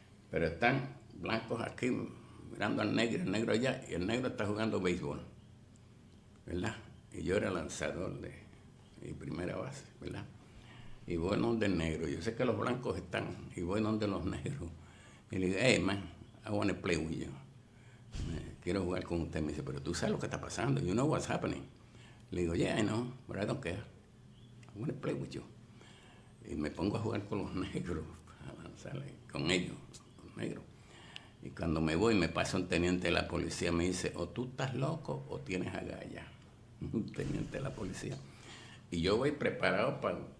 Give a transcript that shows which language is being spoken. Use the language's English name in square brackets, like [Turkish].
[Spanish] Pero están blancos aquí mirando al negro, el negro allá. Y el negro está jugando béisbol, ¿verdad? Y yo era lanzador de mi primera base, ¿verdad? Y voy en donde el negro. Yo sé que los blancos están, y voy en donde los negros. Y le digo, [English] hey, man, I want to play with you. [Spanish] Quiero jugar con usted. Me dice, pero tú sabes lo que está pasando. [English] You know what's happening. [Spanish] Le digo, [English] yeah, I know, but I don't care. I want to play with you. [Spanish] Y me pongo a jugar con los negros. Con ellos, los negros. Y cuando me voy, me pasa un teniente de la policía. Me dice, o tú estás loco o tienes agallas. Un teniente de la policía. Y yo voy preparado para...